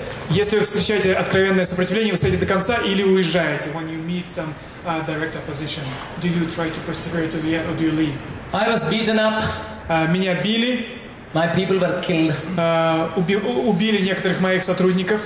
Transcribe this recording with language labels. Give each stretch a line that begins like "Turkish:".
Russian: Если вы встречаете откровенное сопротивление, вы стоите до конца или уезжаете?
English: When you meet some direct opposition, do you try to persevere to the end or do you leave? I was beaten up.
Russian: Меня били.
English: My people were killed.
Russian: Убили некоторых моих сотрудников.